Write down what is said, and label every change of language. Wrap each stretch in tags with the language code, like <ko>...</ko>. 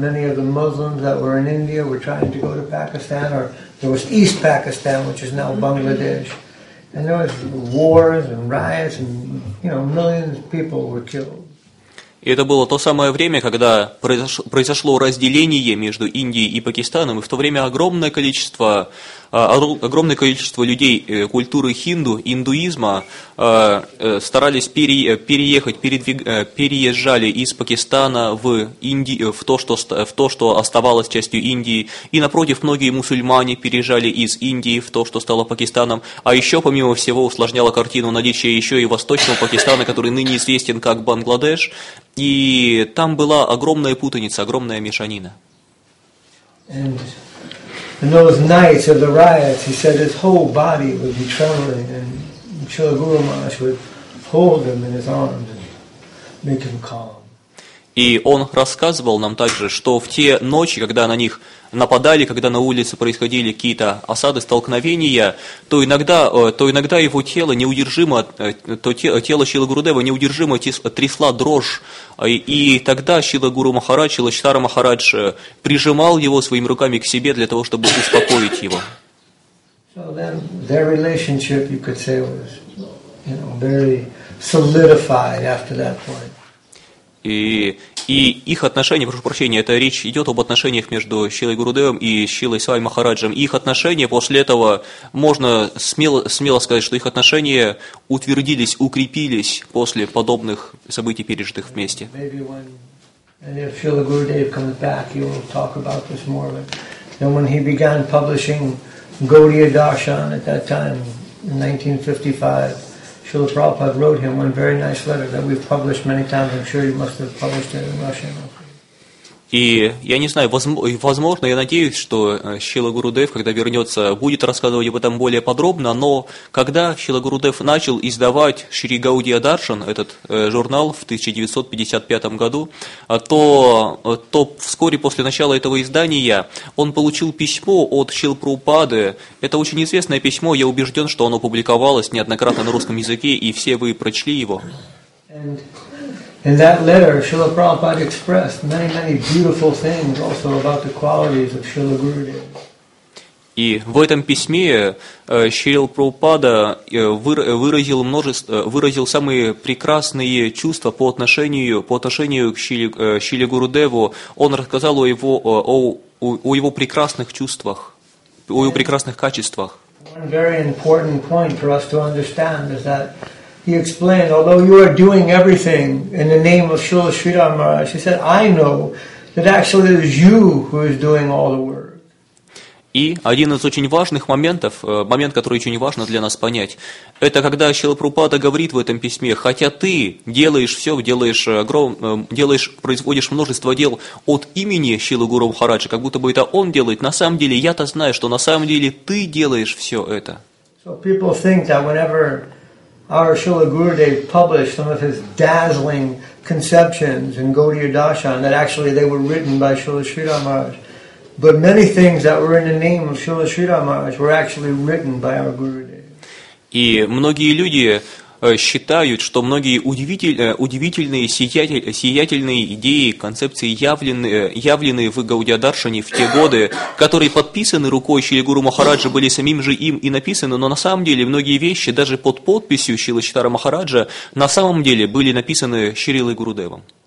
<en>Many of the Muslims that were in India were trying to go to Pakistan, or there was East Pakistan, which is now Bangladesh. And there was wars and riots, and millions of people were killed.</en> <ru>И это было то самое время, когда произошло разделение между Индией и Пакистаном, и в то время огромное количество людей культуры хинду, индуизма, старались переезжали из Пакистана в Индию, в то, что оставалось частью Индии, и напротив, многие мусульмане переезжали из Индии в то, что стало Пакистаном, а еще, помимо всего, усложняло картину наличие еще и восточного Пакистана, который ныне известен как Бангладеш, и там была огромная путаница, огромная мешанина.</ru> <en>In those nights of the riots, he said his whole body would be trembling, and Srila Guru Maharaj would hold him in his arms and make him calm.</en> <ru>И он рассказывал нам также, что в те ночи, когда на них нападали, когда на улице происходили какие-то осады, столкновения, то иногда его тело неудержимо, тело Шрилы Гурудева неудержимо трясла дрожь. И тогда Шрила Гуру Махарадж, Шрила Читара Махарадж прижимал его своими руками к себе для того, чтобы успокоить его.</ru> <en>So then their relationship, you could say, was very solidified after that point.</en> <ru>И их отношения, прошу прощения, это речь идет об отношениях между Шрилой Гурудевом и Шрилой Свами Махараджем. Их отношения после этого, можно смело сказать, что их отношения утвердились, укрепились после подобных событий, пережитых вместе.</ru> <en>And if Shrila Gurudev comes back, you will talk about this more. But when he began publishing Gaudiya Darshan at that time, in 1955, Srila Prabhupada wrote him one very nice letter that we've published many times. I'm sure you must have published it in Russian.</en> <ru>И я не знаю, возможно, я надеюсь, что Шрила Гурудев, когда вернется, будет рассказывать об этом более подробно, но когда Шрила Гурудев начал издавать Шри Гаудия Даршан, этот журнал, в 1955 году, то вскоре после начала этого издания он получил письмо от Шрилы Прабхупады. Это очень известное письмо, я убежден, что оно публиковалось неоднократно на русском языке, и все вы прочли его.</ru> <en>In that letter, Srila Prabhupada expressed many, many beautiful things also about the qualities of Srila Gurudev.</en> <ru>И в этом письме Шрила Прабхупада выразил самые прекрасные чувства по отношению к Шриле Гурудеву. Он рассказал о его прекрасных чувствах, о его прекрасных качествах.</ru> <en>One very important point for us to understand is that he explained, although you are doing everything in the name of Srila Sridhar Maharaj, he said, I know that actually it is you who is doing all the work.</en> <ru>И один из очень важных моментов, момент, который очень важно для нас понять, это когда Шрила Прабхупада говорит в этом письме, хотя ты делаешь все, производишь множество дел от имени Шрилы Гуру Махараджа, как будто бы это он делает, на самом деле я-то знаю, что на самом деле ты делаешь все это.</ru> <en>So people think that whenever our Srila Gurudev published some of his dazzling conceptions in Gaudiya Darshan, that actually they were written by Srila Sridhar Maharaj. But many things that were in the name of Srila Sridhar Maharaj were actually written by our Gurudev.</en> <ru>И многие люди считают, что многие удивительные сиятельные идеи, концепции, явленные в Гаудия Даршане в те годы, которые подписаны рукой Шрилы Гуру Махараджа, были самим же им и написаны, но на самом деле многие вещи, даже под подписью Шрилы Читара Махараджа, на самом деле были написаны Шрилой Гурудевом.</ru>